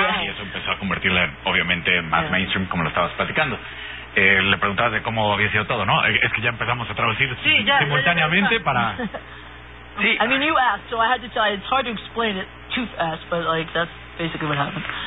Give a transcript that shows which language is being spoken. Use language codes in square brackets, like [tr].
[en] One of the best, and it started to make it more mainstream, like you were talking about. [es] Le preguntabas de cómo había sido todo, ¿no? Es que ya empezamos a traducir simultáneamente para... Sí. [en] I mean, you asked, so I had to tell you. It's hard to explain it too fast, but, like, that's basically what happened.